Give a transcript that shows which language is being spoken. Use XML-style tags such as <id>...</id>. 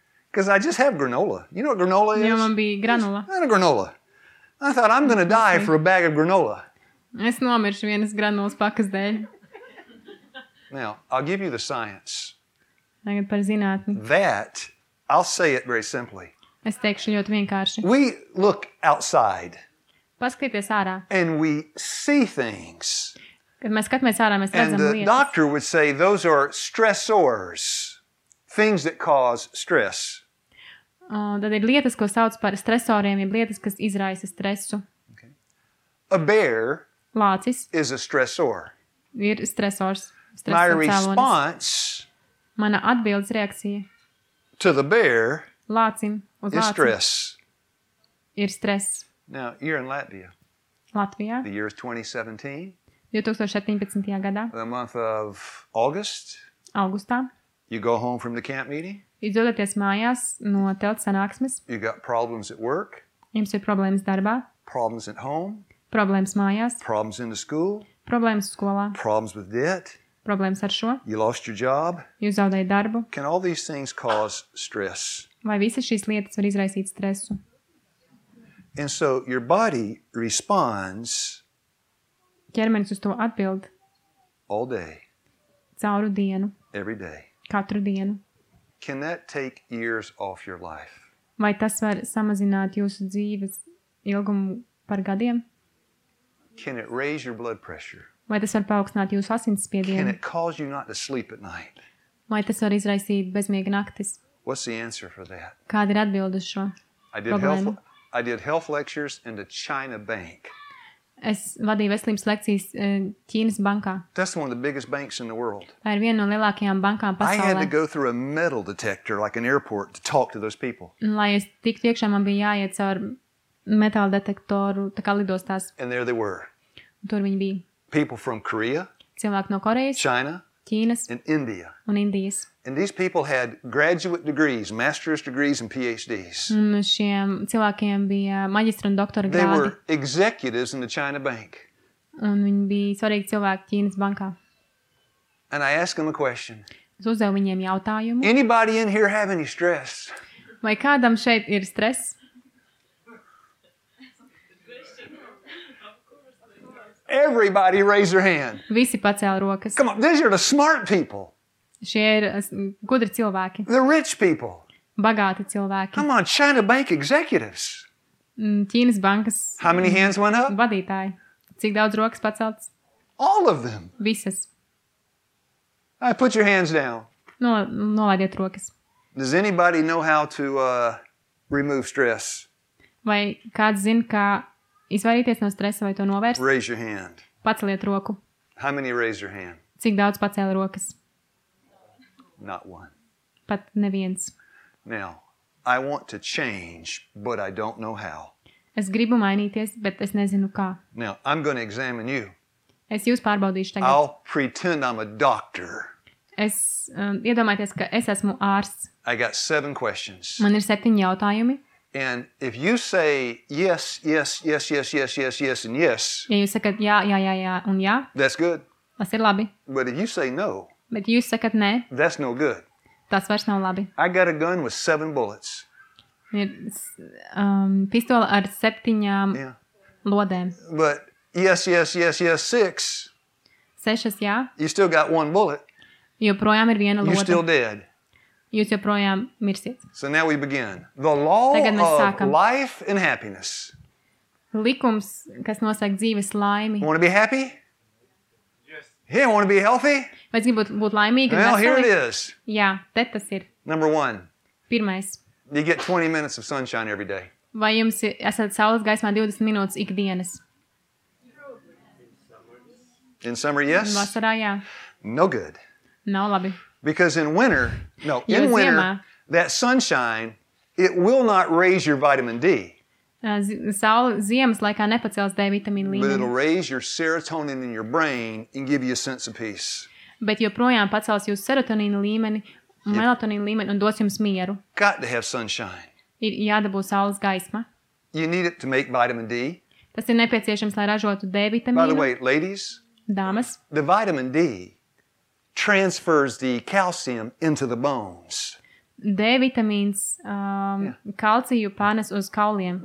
<en>Because I just have granola. You know what granola is?</en> <lv>Jo man bija granola.</lv> <en>I had a granola. I thought I'm going to die for a bag of granola.</en> <lv>Es nomiršu vienas granolas pakas dēļ.</lv> <en>Now, I'll give you the science.</en> <lv>Tagad par zinātni.</lv> <en>That, I'll say it very simply.</en> <lv>Es teikšu ļoti vienkārši.</lv> <en>We look outside.</en> <lv>Paskaties ārā.</lv> <en>And we see things.</en> <lv>Kad mēs skatāmies ārā, mēs redzam lietas.</lv> <en>And the doctor would say those are stressors. Things that cause stress.</en> <lv>Tad ir lietas, ko sauc par stresoriem, ir lietas, kas izraisa stresu.</lv> <en>Okay. A bear</en> <lv>Lācis</lv> <en>is a stressor.</en> <lv>Ir stresors.</lv> <en>My response</en> <lv>Mana atbildes reakcija</lv> <en>to the bear</en> <lv>Lācim, uz</lv> <en>is stress.</en> <lv>Ir stress.</lv> <en>Now, you're in Latvia.</en> <lv>Latvijā.</lv> <en>The year is 2017.</en> <lv>2017. Gadā.</lv> <en>The month of August.</en> <lv>Augustā.</lv> <en>You go home from the camp meeting.</en> <lv>Jūs dodaties mājās no telts sanāksmes.</lv> <en>You got problems at work.</en> <lv>Jums ir problēmas darbā.</lv> <en>Problems at home.</en> <lv>Problēmas mājās.</lv> <en>Problems in the school.</en> <lv>Problēmas skolā.</lv> <en>Problems with debt.</en> <lv>Problēmas ar šo.</lv> <en>You lost your job.</en> <lv>Jūs zaudējat darbu.</lv> <en>Can all these things cause stress?</en> <lv>Vai visas šīs lietas var izraisīt stresu?</lv> <en>And so your body responds.</en> <lv>Ķermenis uz to atbild.</lv> <en>All day.</en> <lv>Cauru dienu.</lv> <en>Every day.</en> <lv>Katru dienu.</lv> <en>Can that take years off your life?</en> <lv>Vai tas var samazināt jūsu dzīves ilgumu par gadiem?</lv> <en>Can it raise your blood pressure?</en> <lv>Vai tas var paaugstināt jūsu asinsspiedienu?</lv> <en>Can it cause you not to sleep at night?</en> <lv>Vai tas var izraisīt bezmiega naktis?</lv> <en>What's the answer for that?</en> <lv>Kāda ir atbilde uz šo problēmu?</lv> <en>I did health lectures in the China Bank.</en> <lv>Es vadīju veselības lekcijas Ķīnas bankā.</lv> <en>That's one of the biggest banks in the world.</en> <lv>Tā ir viena no lielākajām bankām pasaulē.</lv> <en>I had to go through a metal detector like an airport to talk to those people.</en> <lv>Lai es tiktu iekšā, man bija jāiet caur metāla detektoru, tā kā lidostās.</lv> <en>And there they were.</en> <lv>Un tur viņi bija.</lv> <en>People from Korea.</en> <lv>Cilvēki no Korejas.</lv> <en>China.</en> <lv>Ķīnas.</lv> <en>And India.</en> <lv>Un Indijas.</lv> <en>And these people had graduate degrees, master's degrees and PhDs.</en> <lv>Un šiem cilvēkiem bija maģistra un doktora grādi.</lv> <en>They were executives in the China Bank.</en> <lv>Un viņi bija svarīgi cilvēki Ķīnas bankā.</lv> <en>And I asked them a question.</en> <lv>Es uzdevu viņiem jautājumu.</lv> <en>Anybody in here have any stress?</en> <lv>Vai kādam šeit ir stress?</lv> <en>Everybody raise their hand.</en> <lv>Visi pacēla rokas.</lv> <en>Come on, these are the smart people.</en> <lv>Šie ir gudri cilvēki.</lv> <en>The rich people.</en> <lv>Bagāti cilvēki.</lv> <en>Come on, China Bank executives.</en> <lv>Ķīnas bankas.</lv> <en>How many hands went up?</en> <lv>Vadītāji. Cik daudz rokas paceltas?</lv> <en>All of them.</en> <lv>Visas.</lv> <en>I put your hands down.</en> <lv>Nolaidiet rokas.</lv> <en>Does anybody know how to remove stress?</en> <lv>Vai kāds zina, kā izvairīties no stresa vai to novērst?</lv> <en>Raise your hand.</en> <lv>Paceliet roku.</lv> <en>How many raise your hand?</en> <lv>Cik daudz pacēla rokas?</lv> <en>Not one.</en> <lv>Pat neviens.</lv> <en>Now, I want to change, but I don't know how.</en> <lv>Es gribu mainīties, bet es nezinu kā.</lv> <en>Now, I'm going to examine you.</en> <lv>Es jūs pārbaudīšu tagad.</lv> <en>I'll pretend I'm a doctor.</en> <lv>Es iedomājieties, ka es esmu ārsts.</lv> <en>I got 7 questions.</en> <lv>Man ir 7 jautājumi.</lv> <en>And if you say yes, yes, yes, yes, yes, yes, yes, and yes.</en> <lv>Ja jūs sakat jā, jā, jā, jā, un jā.</lv> <en>That's good.</en> <lv>Tas ir labi.</lv> <en>But if you say no.</en> <lv>Bet jūs sakat nē.</lv> <en>That's no good.</en> <lv>Tas vairs nav labi.</lv> <en>I got a gun with 7 bullets.</en> <lv>Ir pistola ar 7 lodēm.</lv> <en>But yes, yes, yes, yes, 6.</en> <lv>6, jā.</lv> <en>You still got 1 bullet.</en> <lv>Joprojām ir viena lode.</lv> <en>You're still dead.</en> <lv>Jūs joprojām mirsiet.</lv> <en>So now we begin. The law of life and happiness.</en> <lv>Likums, kas nosaka dzīves laimi.</lv> <en>Want to be happy? Yes. Hey, want to be healthy?</en> <lv>Vai jūs gribat būt laimīgi?</lv> <en>Well, here it is.</en> <lv>Jā, te tas ir.</lv> <en>Number 1.</en> <lv>Pirmais.</lv> <en>You get 20 minutes of sunshine every day.</en> <lv>Vai jums esat saules gaismā 20 minūtes ikdienas?</lv> <en>In summer, yes.</en> <lv>Vasarā, jā.</lv> <en>No good.</en> <lv>Nav labi.</lv> <en>Because in winter, no,</en> <lv>jo</lv> <en>in winter,</en> <lv>ziemā,</lv> <en>that sunshine, it will not raise your vitamin D.</en> <lv>Saule ziemas laikā nepacels D vitamīnu līmeni.</lv> <en>But it'll raise your serotonin in your brain and give you a sense of peace.</en> <lv>Bet joprojām pacels jūsu serotonīnu līmeni, melatonīnu līmeni un dos jums mieru.</lv> <en>Got to have sunshine.</en> <lv>ir jādabū saules gaisma.</lv> <en>You need it to make vitamin D.</en> <lv>Tas ir nepieciešams, lai ražotu D-vitamīnu.</lv> <en>By the way, ladies,</en> <lv>dāmas,</lv> <en>the vitamin D transfers the calcium into the bones.</en> <lv>D-vitamīns kalciju pārnes uz kauliem.</lv>